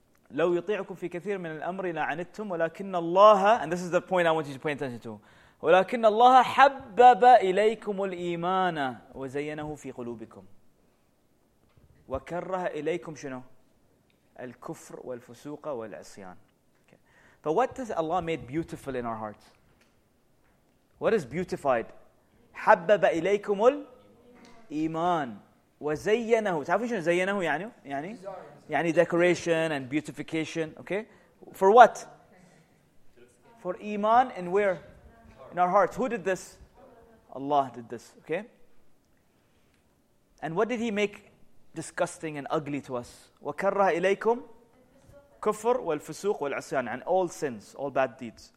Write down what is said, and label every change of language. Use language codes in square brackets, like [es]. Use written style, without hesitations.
[ar] لو يطيعكم في كثير من الأمر لعنتم ولكن الله [en] and this is the point I want you to pay attention to. [ar] ولكن الله حبب إليكم الإيمان وزينه في قلوبكم وكره إليكم شنو الكفر والفسوق والعصيان. [en] But what does Allah made beautiful in our hearts? What is beautified? [ar] حبب إليكم الإيمان وزينه. تعرفون شنو زينه يعني؟ يعني يعني [en] decoration and beautification. Okay, for what? For إيمان. In where? In our hearts. Who did this? Allah did this. Okay. And what did He make disgusting and ugly to us? [ar] وكره إليكم كفر والفسوق والعصيان, [en] and all sins, all bad deeds.